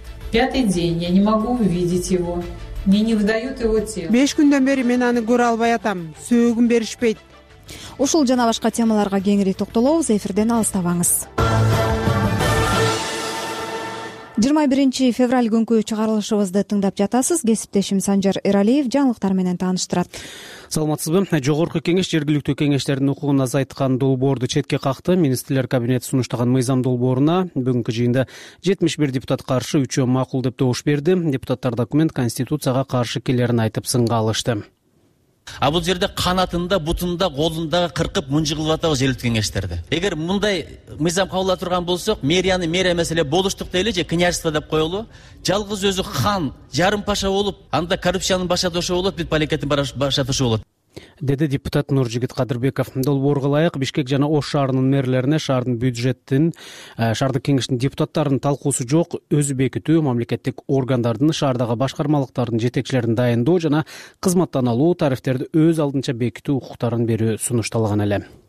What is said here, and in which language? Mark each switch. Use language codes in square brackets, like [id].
[ru] Пятый день, я не могу увидеть его. Мне не выдают его тело. [ky] 5 күндөн бери мен аны көрө албай атам. Сөөгүн беришпейт. Ушул жана башка темаларга кеңири токтолобуз. Эфирден алыстабаңыз. 21 февраль күнкү чыгарылышыбызды тыңдап жатасыз. Кесиптешим Санжар Эралиев жаңылыктар менен тааныштырат. Саламатсызбы? Жогорку кеңеш жергиликтүү кеңештердин укугун азайткан долбоорду четке какты. Министрлер кабинети сунуштаган мыйзам долбооруна бүгүнкү жыйында 71 депутат каршы, 3 макул деп добуш берди. Депутаттар документ конституцияга каршы келерин айтып сынга алышты. А бул жерде канатында, бутунда, колунда кыркып мунжугулуп атабыз жергиликтүү кеңештерди. Эгер мындай мыйзам кабыл ала турган болсок, мэрияны мэрия эмес эле болуштук дейли же княжество деп коелу. Жалгыз өзү хан, жарым паша болуп, анда коррупциянын башатышы болот, бүт мамлекеттин башатышы болот. Деди депутат Нуржигит Кадырбеков. Долбоорго ылайык Бишкек жана Ош шаарынын мэрлерине шаардын бюджеттин, шаардык кеңештин депутаттарынын талкуусу жок, өзү бекитүү, мамлекеттик органдардын шаардагы башкармалыктардын жетекчилерин дайындоо жана кызматтан алуу, тарифтерди өз алдынча бекитүү укуктарын берүү сунушталган эле.